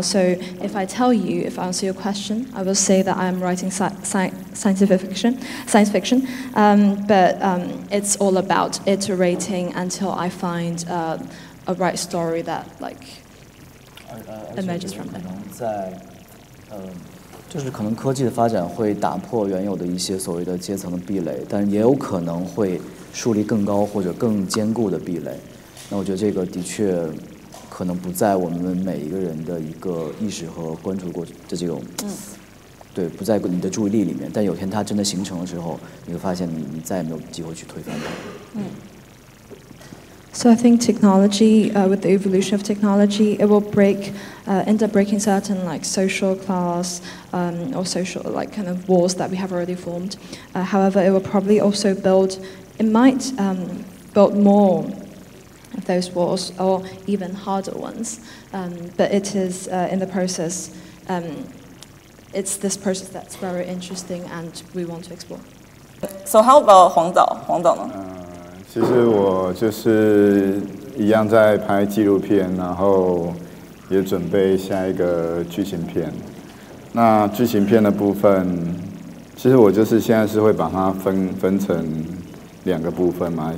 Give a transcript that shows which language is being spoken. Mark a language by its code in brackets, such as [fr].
[en] So if I answer your question, I will say that I'm writing science fiction, but it's all about iterating until I find a right story that like emerges from it. [zh] 就是可能科技的发展会打破原有的一些所谓的阶层的壁垒，但也有可能会树立更高或者更坚固的壁垒。那我觉得这个的确可能不在我们每一个人的一个意识和关注过的这种，对，不在你的注意力里面。但有天它真的形成的时候，你会发现你再也没有机会去推翻它。 [en] So I think technology, with the evolution of technology, it will end up breaking certain like social class or social like kind of walls that we have already formed. However, it will probably also build more of those walls or even harder ones. But it is in the process. It's this process that's very interesting and we want to explore. So how about 黄导呢？ [zh] 其实我就是一样在拍纪录片，然后也准备下一个剧情片。那剧情片的部分，其实我就是现在是会把它分成两个部分嘛。